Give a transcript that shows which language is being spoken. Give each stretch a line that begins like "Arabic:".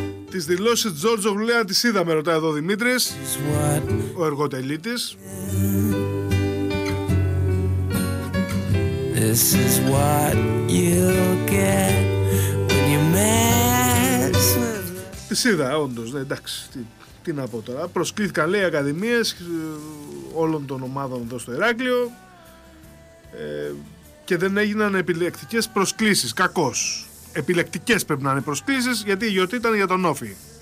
Greek: Τις δηλώσεις Τζόρτζο Βλέα τις είδαμε, ρωτάει εδώ ο Δημήτρης, ο εργοτελήτης.
English: This is what you get when you mess with...
Greek: Τις είδα όντως, ναι, εντάξει, τι να πω τώρα. Προσκλήθηκαν, λέει, ακαδημίες όλων των ομάδων εδώ στο Ηράκλειο και δεν έγιναν επιλεκτικές προσκλήσεις, κακώς. Επιλεκτικές πρέπει να είναι προσκλήσεις, γιατί η γιορτή ήταν για τον Όφη.